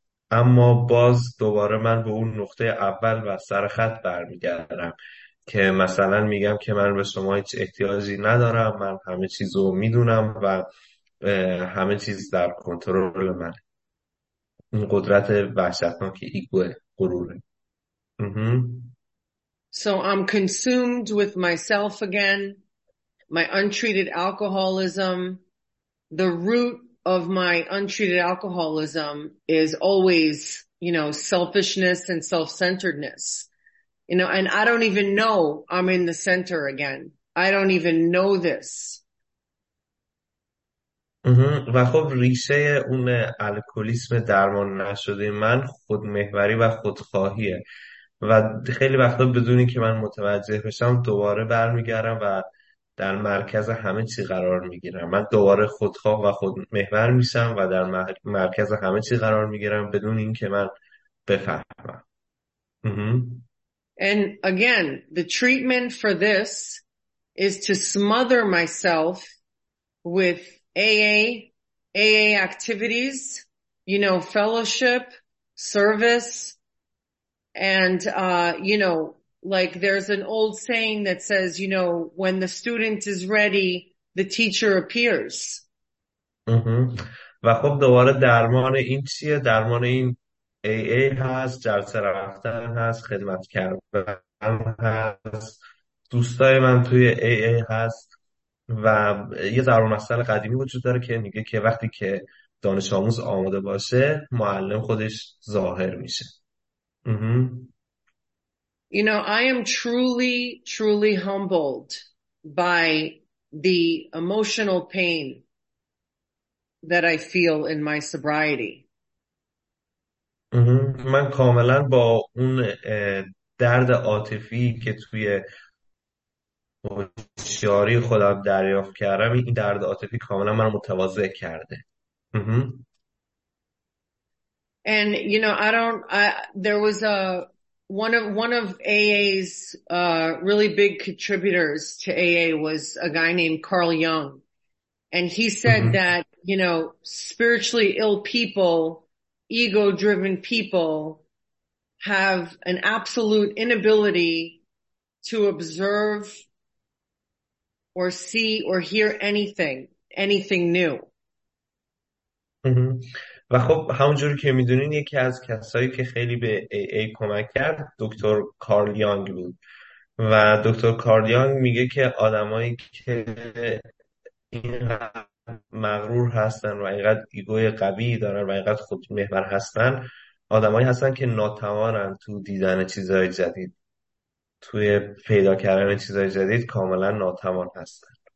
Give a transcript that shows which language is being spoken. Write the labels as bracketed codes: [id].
[fa] اما باز دوباره من به اون نقطه اول و سر خط برمیگردم که مثلا میگم که من به شما هیچ احتیاجی ندارم، من همه چیزو میدونم و همه چیز در کنترل منه. این قدرت وحشتناک ایگو غروره. [en] So I'm consumed with myself again, my untreated alcoholism. The root of my untreated alcoholism is always, you know, selfishness and self-centeredness. You know, and I don't even know I'm in the center again. I don't even know this. [fa] و خب ریشه اون الکلیسم درمان نشده من خودمحوری و خودخواهیه و خیلی وقتا بدون این که من متوجه بشم دوباره برمیگردم و در مرکز همه چی قرار میگیرم. من دوباره خودخواه و خودمحور میشم و در مرکز همه چی قرار میگیرم بدون این که من بفهمم. [en] And again, the treatment for this is to smother myself with AA activities, you know, fellowship, service, and, you know, like there's an old saying that says, you know, when the student is ready, the teacher appears. [fa] و خب دوباره درمان این چیه؟ درمان این AA هست، جلسه رفتن هست، خدمت کردن هست، دوستای من توی AA هست. و یه ضرب المثل قدیمی وجود داره که میگه که وقتی که دانش آموز آماده باشه معلم خودش ظاهر میشه. [en] You know, I am truly, truly humbled by the emotional pain that I feel in my sobriety. [fa] من کاملا با اون درد عاطفی که توی هوشیاری خودم دریافت کردم، این درد عاطفی کاملا من متواضع کرده. [en] And you know, I don't, I, there was a one of AA's really big contributors to AA was a guy named Carl Jung. And he said that, you know, spiritually ill people, ego driven people have an absolute inability to observe or see or hear anything new. [fa] و خب همونجوری که میدونین یکی از کسایی که خیلی به AA کمک کرد دکتر کارل یانگ بود و دکتر کارل یانگ میگه که آدمایی که اینقدر مغرور هستن و اینقدر ایگوی قوی دارن و اینقدر خودمحور هستن آدمایی هستن که ناتوانن تو دیدن چیزهای جدید، توی پیدا کردن چیزهای جدید کاملا ناتوان هستن.